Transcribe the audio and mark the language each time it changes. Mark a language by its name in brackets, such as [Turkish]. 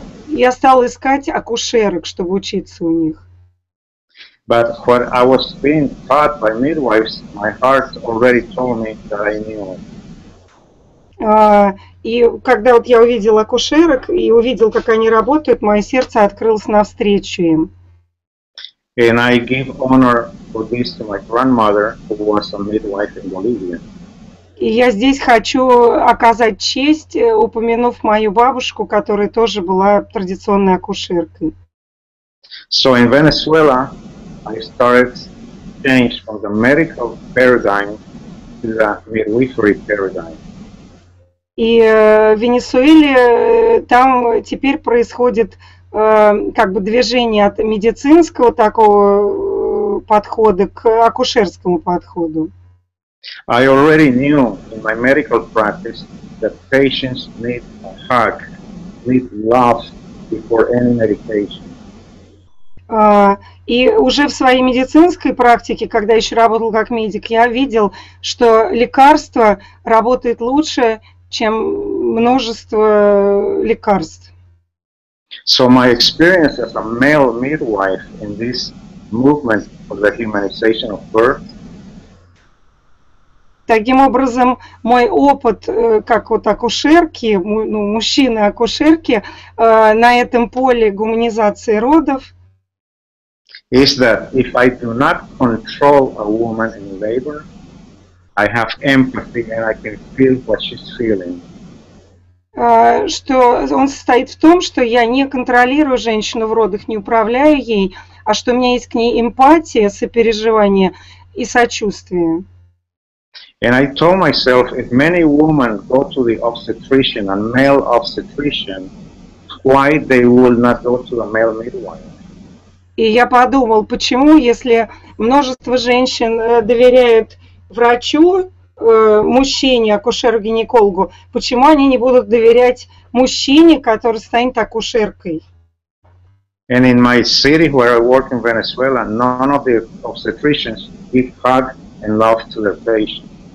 [Russian] Я стал искать акушерок, чтобы учиться у них. [English] But when I was being taught by midwives, my heart already told me that I knew it. [Russian] И когда вот я увидел акушерок и увидел, как они работают, мое сердце открылось навстречу им. [English] And I give honor for this to my grandmother, who was a midwife in Bolivia. [Russian] И я здесь хочу оказать честь, упомянув мою бабушку, которая тоже была традиционной акушеркой. [English] So in Venezuela, I started change from the medical paradigm to the midwifery paradigm. [Russian] И в Венесуэле там теперь происходит как бы движение от медицинского такого подхода к акушерскому подходу. [English] I already knew in my medical practice that patients need a hug, need love before any medication. [Russian] И уже в своей медицинской практике, когда еще работал как медик, я видел, что лекарство работает лучше, чем множество лекарств. [English] So my experience as a male midwife in this movement for the humanization of birth. [Russian] Таким образом, мой опыт как вот акушерки, ну, мужчины-акушерки на этом поле гуманизации родов. [English] Is that if I do not control a woman in labor, I have empathy and I can feel what she's feeling. [Russian] Что он состоит в том, что я не контролирую женщину в родах, не управляю ей, а что у меня есть к ней эмпатия, сопереживание и сочувствие. [English] And I told myself, if many women go to the obstetrician, a male obstetrician, why they will not go to a male midwife? [Russian] И я подумал, почему, если множество женщин доверяют врачу, мужчине, акушеру-гинекологу, почему они не будут доверять мужчине, который станет акушеркой? [English] And in my city, where I work in Venezuela, none of the obstetricians give hug and love to their patients.